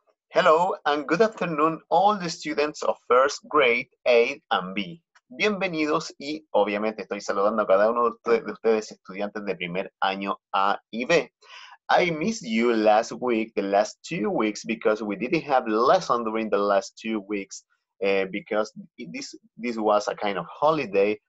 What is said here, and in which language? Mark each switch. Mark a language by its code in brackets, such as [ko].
[en] Hello and good afternoon all the students of first grade A and B. [es] Bienvenidos y obviamente estoy saludando a cada uno de ustedes estudiantes de primer año A y B. [en] I missed you last week, the last 2 weeks, because we didn't have lesson during the last 2 weeks because this was a kind of holiday.